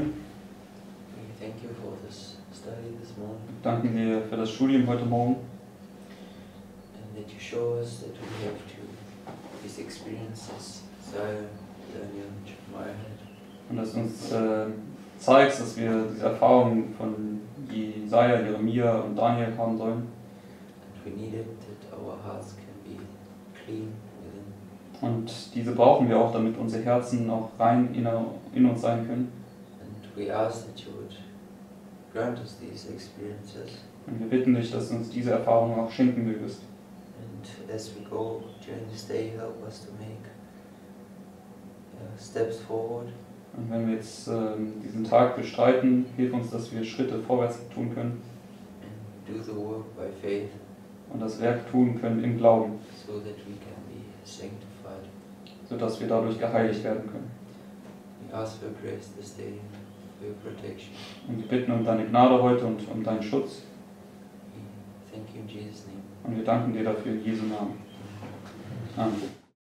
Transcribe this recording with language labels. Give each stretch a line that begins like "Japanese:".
English: we thank you for this study this morning.
German: Wir danken dir für das Studium heute Morgen.
English: And that you show us that we have to these experiences, Zion, Daniel, and Jeremiah.
German: Und dass du uns zeigst, dass wir diese Erfahrungen von Jesaja, Jeremia und Daniel haben sollen.
English: And we need it that our hearts can be clean.
German: Und diese brauchen wir auch, damit unsere Herzen auch rein in uns sein können.
English: And we ask that you would grant us these experiences.
German: Und wir bitten dich, dass du uns diese Erfahrungen auch schenken mögest.
English: And as we go during this day, help us to make steps forward.
German: Und wenn wir jetzt diesen Tag bestreiten, hilf uns, dass wir Schritte vorwärts tun können.
English: And do the work by faith.
German: Und das Werk tun können im Glauben.
English: So that we can be sanctified.
German: So dass wir dadurch geheiligt werden können.
English: We ask for grace this day, for your protection.
German: Und wir bitten um deine Gnade heute und um deinen Schutz.
English: Thank you in Jesus' name.
German: Und wir danken dir dafür in Jesu Namen. Amen.